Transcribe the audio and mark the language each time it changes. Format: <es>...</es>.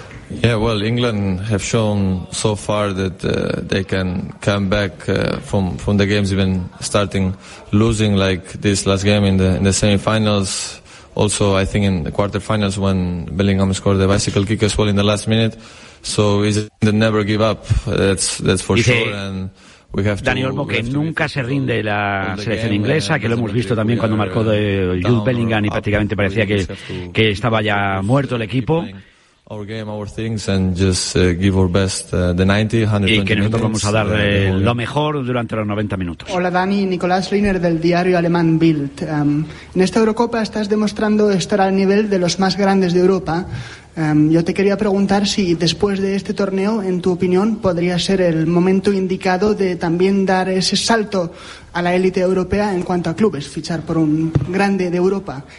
<en>Yeah, well, England have shown so far that they can come back from the games, even starting losing like this last game in the semi-finals. Also, I think in the quarter-finals when Bellingham scored the bicycle kick as well in the last minute. So is it never give up? That's for sure. And we have to,</en> <es>Dani Olmo, que nunca se rinde la selección inglesa, que lo hemos visto también cuando marcó de Jude Bellingham y prácticamente parecía que estaba ya muerto el equipo.</es> <en>Our game, our things, and just give our best the 90, 120 minutes.</en> <es>Y que nosotros</es> <en>minutes,</en> <es>vamos a dar lo mejor durante los 90 minutos. Hola, Dani. Nicolás Reiner, del diario alemán Bild. En esta Eurocopa estás demostrando estar al nivel de los más grandes de Europa. Yo te quería preguntar si después de este torneo, en tu opinión, podría ser el momento indicado de también dar ese salto a la élite europea en cuanto a clubes, fichar por un grande de Europa.</es>